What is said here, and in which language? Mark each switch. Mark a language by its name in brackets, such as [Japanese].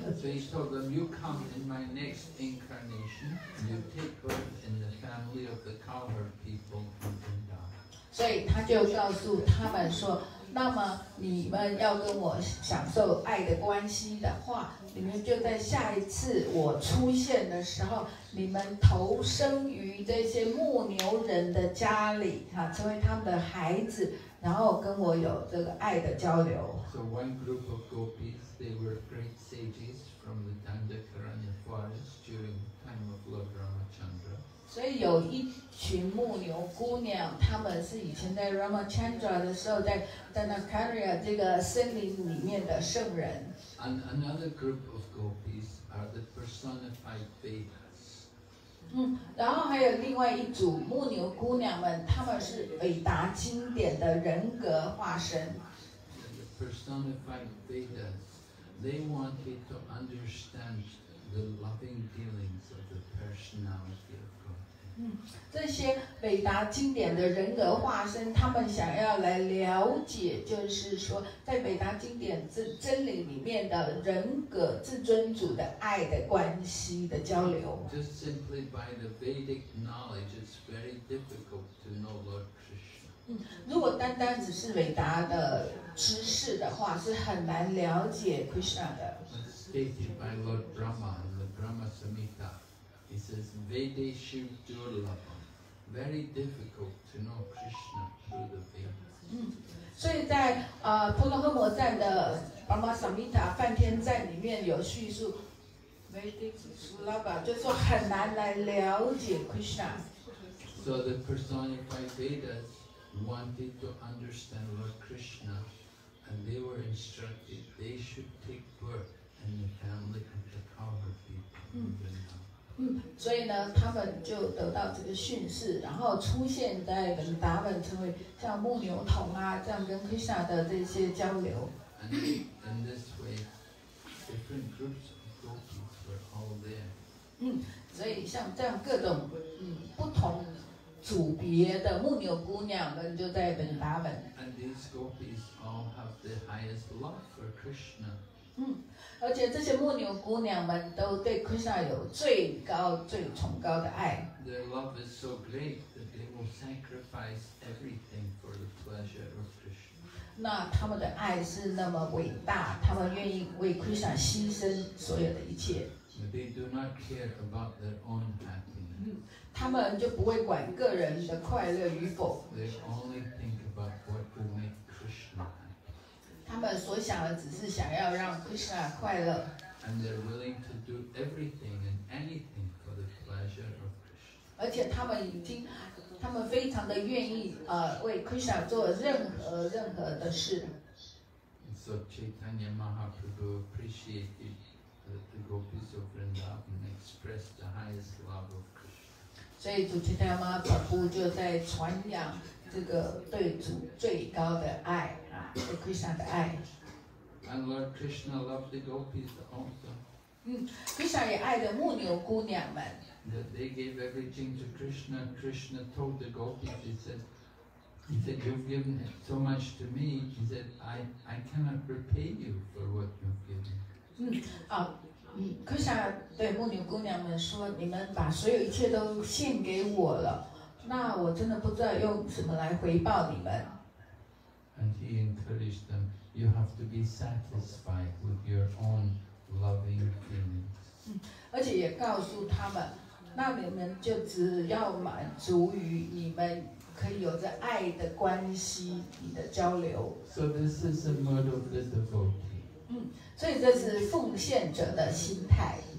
[English] So he told them, you come in my next incarnation, you take birth in the family of the cowherd people in Vrindavan. [Chinese] 所以他就告诉他们说，那么你们要跟我享受爱的关系的话，你们就在下一次我出现的时候，你们投生于这些牧牛人的家里，成为他们的孩子，然后跟我有这个爱的交流。 [English] So one group of gopis, they were great sages from the Dandakaranya forest during the time of Lord Ramachandra. [Chinese] 所以有一群牧牛姑娘，她们是以前在 Ramachandra 的时候，在 Dandakaranya 这个森林里面的圣人。 [English] And another group of gopis are the personified Vedas. [Chinese] 然后还有另外一组牧牛姑娘们，她们是韦达经典的人格化身。 [English] The personified Vedas, they wanted to understand the loving dealings of the personality. [Chinese] 这些伟达经典的人格化身，他们想要来了解，就是说在伟达经典真理里面的人格至尊主的爱的关系的交流。 [English] Just simply by the Vedic knowledge, it's very difficult to know Lord Krishna. [Chinese] 如果单单只是伟达的知识的话，是很难了解 Krishna 的。 [English] It's stated by Lord Brahma in the Brahma Samhita.He says, Vedeshu Durlabham, very difficult to know Krishna through the Vedas. 嗯， [Chinese] 所以在婆罗河摩赞的巴玛萨米塔梵天赞里面有叙述 ，Vedic Sulabha 就说很难来了解 Krishna。 [English] So the personified Vedas wanted to understand Lord Krishna, and they were instructed they should take birth in the family of the cowherd people in Vrindavan. [Chinese] 嗯，所以呢，他们就得到这个训示，然后出现在文达本，成为像牧牛童啊，这样跟 Krishna 的这些交流。 [English] And in this way, different groups of gopis were all there. [Chinese] 嗯，所以像这样各种不同组别的牧牛姑娘们就在文达本。 [English] And these gopis all have the highest love for Krishna. [Chinese] 嗯，而且这些牧牛姑娘们都对 Krishna 有最高最崇高的爱。 [English] Their love is so great that they will sacrifice everything for the pleasure of Krishna. [Chinese] 那他们的爱是那么伟大，他们愿意为 Krishna 牺牲所有的一切。 [English] But they do not care about their own happiness. [Chinese] 他们就不会管个人的快乐与否。 [English] They only think about what will make Krishna happy. [Chinese] 他们所想的只是想要让 Krishna 快乐。 [English] And they're willing to do everything and anything for the pleasure of Krishna. [Chinese] 而且他们非常的愿意为 Krishna 做任何的事。 [English] And so Chaitanya Mahaprabhu appreciated. The gopis of Vrindavan express the highest love of Krishna. [Chinese] 所以主持人妈妈不就在传扬这个对主最高的爱啊，对 Krishna 的爱。 [English] And Lord Krishna loved the gopis also. [Chinese] 嗯 ，Krishna 也爱着牧牛姑娘们。 [English] That they gave everything to Krishna. Krishna told the gopis, he said, you've given so much to me. He said, I cannot repay you for what you've given. [Chinese] Krishna 对牧牛姑娘们说，你们把所有一切都献给我了，那我真的不知道用什么来回报你们。 [English] And he encouraged them, you have to be satisfied with your own loving feelings. [Chinese] 而且也告诉他们，那你们就只要满足于你们可以有着爱的关系，你的交流。 [English] So this is a mode of the devotee. [Chinese] 所以这是奉献者的心态。